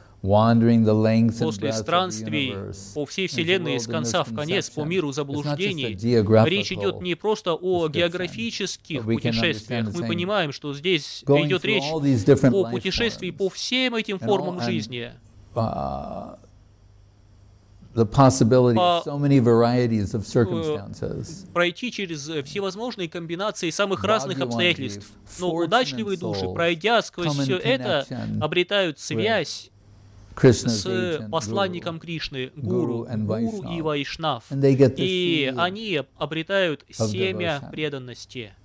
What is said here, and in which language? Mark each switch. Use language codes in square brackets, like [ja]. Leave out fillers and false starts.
[ru] После странствий по всей Вселенной, с конца в конец, по миру заблуждений, речь идет не просто о географических путешествиях. Мы понимаем, что здесь идет речь о путешествии по всем этим формам жизни. [en] The possibility of so many varieties of circumstances. [ru] Пройти через всевозможные комбинации самых разных обстоятельств. Но удачливые души, пройдя сквозь все это, обретают связь с посланником Кришны, гуру и вайшнав. И они обретают семя преданности.